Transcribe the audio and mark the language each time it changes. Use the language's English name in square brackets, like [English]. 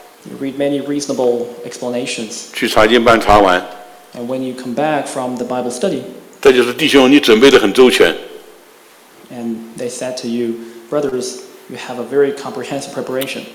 [English] You read many reasonable explanations. [Chinese] 去查经班查完。 [English] And when you come back from the Bible study. [Chinese] 这就是弟兄，你准备的很周全。 [English] And they said to you, brothers, you have a very comprehensive preparation.